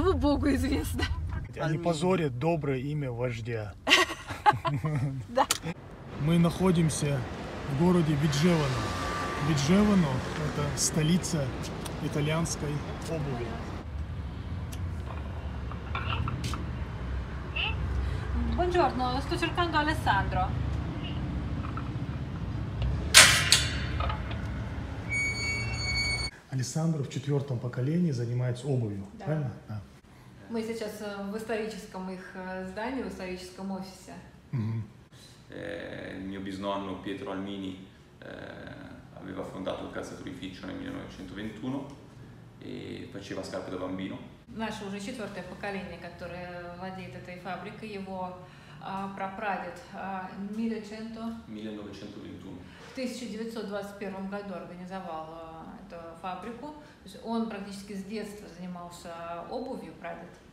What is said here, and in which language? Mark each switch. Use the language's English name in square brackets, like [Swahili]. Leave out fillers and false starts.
[Russian] вы Богу известно. Они позорят доброе имя вождя. Да. Мы находимся в городе Виджевано. Виджевано – это столица итальянской обуви. [Italian] Buongiorno, sto cercando Alessandro. [Russian] Alessandro в четвертом поколении занимается обувью, да. Правильно? Да. Мы сейчас в историческом их здании, в историческом офисе. [Italian] Mio bisnonno Pietro Almini aveva fondato il calzaturificio nel 1921 e faceva scarpe da bambino. [Russian] Наше уже четвертое поколение, которое владеет этой фабрикой, его прапрадед в 1921 году организовал эту фабрику. То есть он практически с детства занимался обувью, прадед.